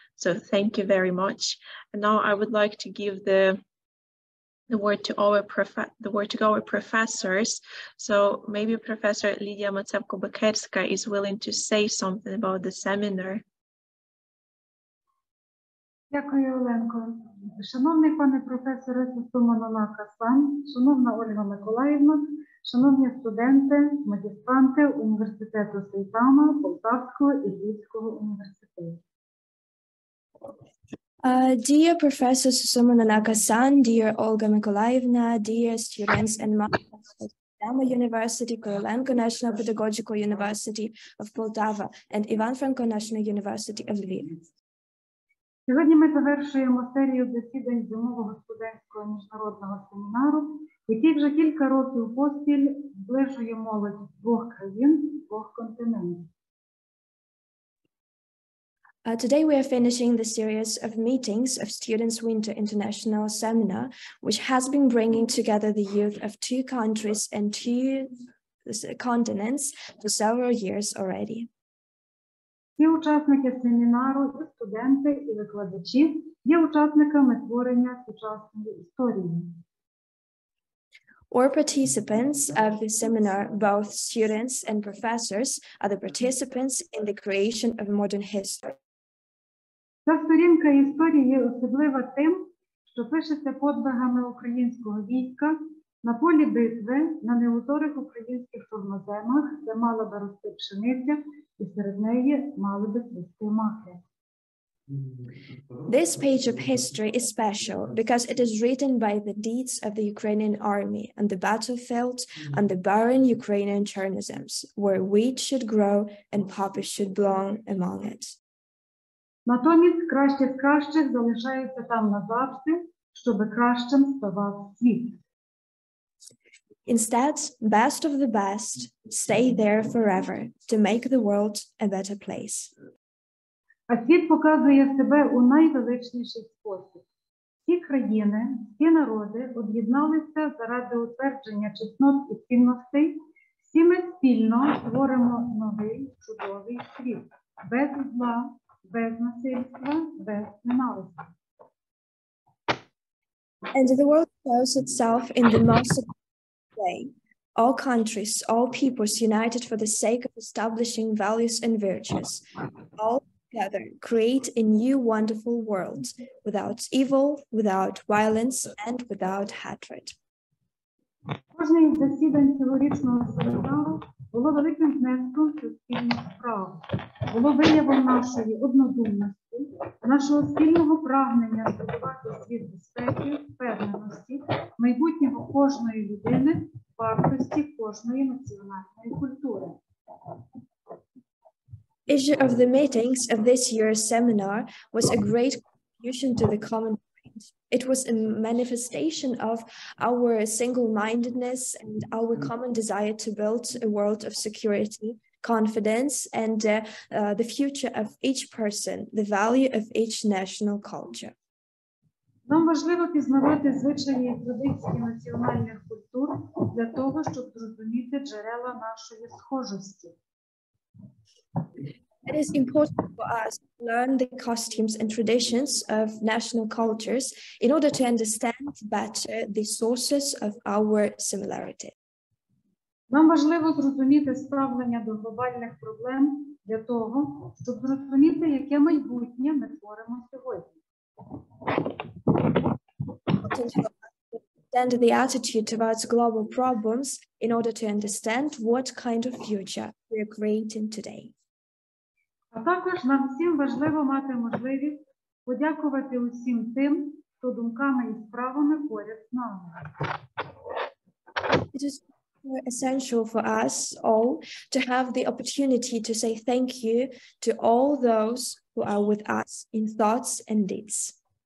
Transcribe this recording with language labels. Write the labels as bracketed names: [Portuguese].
[English] So thank you very much. And now I would like to give the word to our professors. So maybe Professor Lidia Matsevko-Bekerska is willing to say something about the seminar. [Ukrainian] Дякую, Оленко. Шановний пане професоре Сумонова Каслан, шановна Ольга Миколаївна, шановні студенти, магістранти університету Сейтама, Полтавського і Львівського університету. [English] Dear Professor Susumu Nanaka-san, dear Olga Mikolaevna, dear students and masters of Dama University, Korolenko National Pedagogical University of Poltava, and Ivan Franko National University of Lviv. [Ukrainian] Сьогодні ми завершуємо серію засідань зимового студентського міжнародного семінару, який вже кілька років поспіль зближує молодь двох країн, двох континентів. [English] Today we are finishing the series of meetings of Students Winter International Seminar, which has been bringing together the youth of two countries and two continents for several years already. [Ukrainian] Всі учасники семінару, і студенти, і викладачі є учасниками творення сучасної історії. [English] Our participants of the seminar, both students and professors, are the participants in the creation of modern history. [Ukrainian] Ця сторінка історії є особлива тим, що пишеться подвигами українського війська на полі битви, на неуторих українських чорноземах, де мала би рости пшениця, і серед неї мали би цвісти маки. [English] This page of history is special because it is written by the deeds of the Ukrainian army on the battlefield and the barren Ukrainian чорноземs, where wheat should grow and poppy should blow among it. [Ukrainian] Натомість кращі з кращих залишаються там назавжди, щоб кращим ставав світ. [English] Instead, best of the best stay there forever to make the world a better place. [Ukrainian] А світ показує себе у найвеличніший спосіб. Всі країни, всі народи об'єдналися заради утвердження чеснот і цінностей. Всі ми спільно створимо новий чудовий світ без зла, без насильства, без ненависті. [English] And the world shows itself in the most way. All countries, all peoples united for the sake of establishing values and virtues, all together create a new wonderful world without evil, without violence, and without hatred. [Ukrainian] Кожний засідань цьогорічного семінару було великим внеском до спільних справ, було виявом нашої однодумності, нашого спільного прагнення здобувати світ безпеки, впевненості, майбутнього кожної людини, вартості кожної національної культури. [English] Issue of the meetings of this year's seminar was a great contribution to the common. It was a manifestation of our single-mindedness and our common desire to build a world of security, confidence, and the future of each person, the value of each national culture. [Ukrainian] Нам важливо пізнавати звичаї і традиції національних культур для того, щоб зрозуміти джерела нашої схожості. [English] It is important for us to learn the customs and traditions of national cultures in order to understand better the sources of our similarity. [Ukrainian] Нам важливо зрозуміти ставлення до глобальних проблем для того, щоб зрозуміти, яке майбутнє ми творимо сьогодні. [English] Understand the attitude towards global problems in order to understand what kind of future we are creating today. [Ukrainian] А також нам всім важливо мати можливість подякувати усім тим, хто думками і справами поряд з нами. [English] It is essential for us all to have the opportunity to say thank you to all those who are with us in thoughts and deeds.